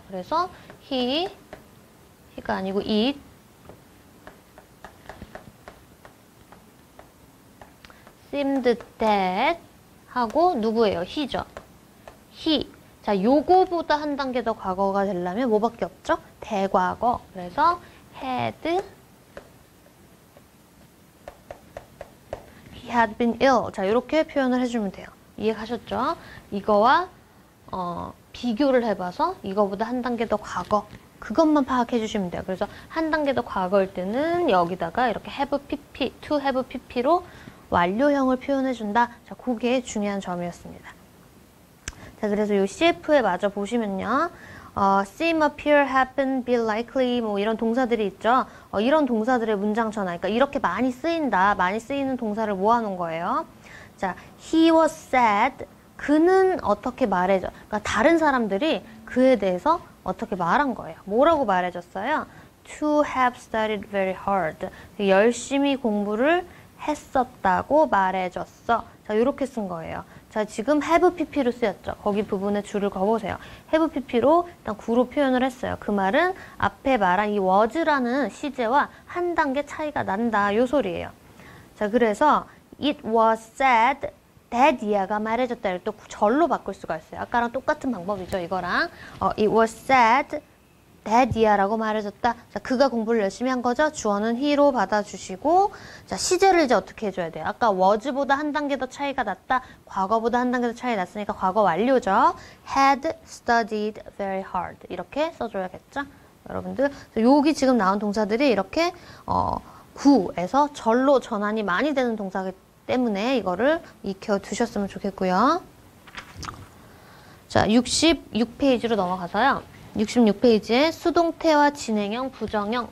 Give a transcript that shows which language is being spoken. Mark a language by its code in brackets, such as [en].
[ko] 그래서 he가 아니고 [en] it seems seemed that [ko] 하고 누구예요? he죠. he. 자, 요거보다 한 단계 더 과거가 되려면 뭐밖에 없죠? 대과거. 그래서 [en] had he had been ill. [ko] 자, 이렇게 표현을 해주면 돼요. 이해가셨죠? 이거와 비교를 해봐서 이거보다 한 단계 더 과거 그것만 파악해 주시면 돼요. 그래서 한 단계 더 과거일 때는 여기다가 이렇게 have pp, to have pp로 완료형을 표현해 준다. 자, 그게 중요한 점이었습니다. 자, 그래서 요 CF에 맞아 보시면요. [en] seem, appear, happen, be likely, [ko] 뭐 이런 동사들이 있죠. 이런 동사들의 문장 전화. 그러니까 이렇게 많이 쓰인다. 많이 쓰이는 동사를 모아놓은 거예요. 자, [en] he was sad. [ko] 그는 어떻게 말해줘. 그러니까 다른 사람들이 그에 대해서 어떻게 말한 거예요. 뭐라고 말해줬어요? [en] To have studied very hard. [ko] 열심히 공부를 했었다고 말해줬어. 자, 이렇게 쓴 거예요. 자, 지금 have pp로 쓰였죠. 거기 부분에 줄을 그어보세요. have pp로 일단 구로 표현을 했어요. 그 말은 앞에 말한 이 was라는 시제와 한 단계 차이가 난다. 요 소리예요. 자, 그래서 [en] it was said that [ko] 이하가 말해줬다. 또 절로 바꿀 수가 있어요. 아까랑 똑같은 방법이죠. 이거랑 [en] it was said that [ko] 이하라고 말해줬다. 자, 그가 공부를 열심히 한 거죠. 주어는 he로 받아주시고 자, 시제를 이제 어떻게 해줘야 돼요? 아까 was보다 한 단계 더 차이가 났다. 과거보다 한 단계 더 차이 났으니까 과거 완료죠. [en] had studied very hard [ko] 이렇게 써줘야겠죠. 여러분들 여기 지금 나온 동사들이 이렇게 구에서 절로 전환이 많이 되는 동사기 때문에 이거를 익혀두셨으면 좋겠고요. 자, 66페이지로 넘어가서요. 66페이지에 수동태와 진행형, 부정형.